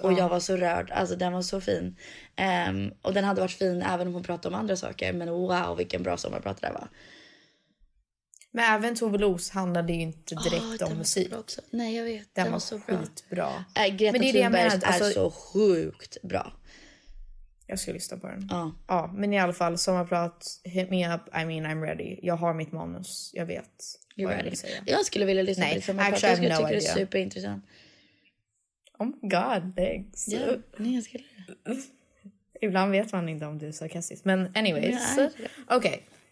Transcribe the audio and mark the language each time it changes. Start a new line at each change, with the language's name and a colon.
Swedish: Och jag var så rörd, alltså den var så fin. Och den hade varit fin även om hon pratade om andra saker, men wow vilken bra sommarprat det var. Men även Tove Los handlade ju inte direkt om musik. Nej, jag vet. Den var så skitbra. Greta Thunbergs är så sjukt bra. Jag ska lyssna på den. Ja, men i alla fall, sommarprat,
English: hit me up, I mean, I'm ready.
Swedish: Jag har mitt manus, jag vet.
English: You're ready.
Swedish: Jag skulle vilja lyssna på sommarprat. Jag tycker det är superintressant.
English: Oh my god, thanks.
Swedish: Ja, nej, jag skulle. Ibland vet man inte om du är sarkastisk. Men anyways, okej.